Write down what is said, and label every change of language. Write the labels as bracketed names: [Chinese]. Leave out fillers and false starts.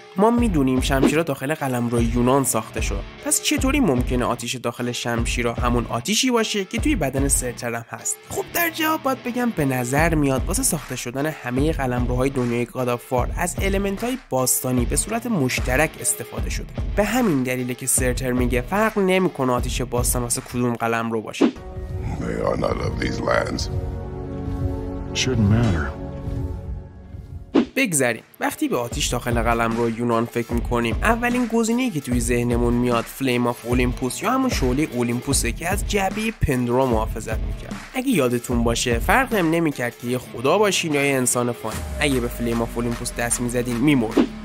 [Persian] ما میدونیم شمشیرها داخل قلمرو یونان ساخته شد، پس چطوری ممکنه آتیش داخل شمشیرها همون آتیشی باشه که توی بدن سرتر هم هست؟ خب در جواب باید بگم به نظر میاد واسه ساخته شدن همه قلمروهای دنیای گاد آف وار از المنت‌های باستانی به صورت مشترک استفاده شده. به همین دلیله که سرتر میگه فرق نمیکنه آتیش باستان واسه کدوم قلمرو باشه. [English] They are not of these lands. Shouldn't matter. [Persian] بگذاریم. وقتی به آتیش داخل قلمرو یونان فکر میکنیم، اولین گزینه‌ای که توی ذهنمون میاد فلیم آف اولیمپوس یا همون شعله اولیمپوسه که از جعبه پندرو محافظت میکرد. اگه یادتون باشه فرق هم نمیکرد که یه خدا باشین یا یه انسان فانی، اگه به فلیم آف اولیمپوس دست میزدین میمردین.